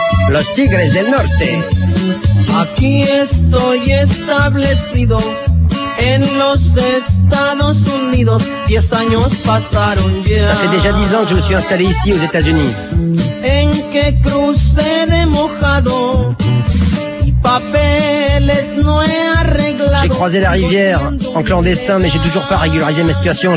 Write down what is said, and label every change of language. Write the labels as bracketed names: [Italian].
[Spanish] Los Tigres del Norte. Aquí estoy establecido en los Estados Unidos. 10 años pasaron ya. [French] Ça fait déjà 10 ans que je me suis installé ici aux États-Unis. [Spanish] En que crucé de mojado y papeles no he arreglado. [French] J'ai croisé la rivière en clandestin, mais j'ai toujours pas régularisé ma situation.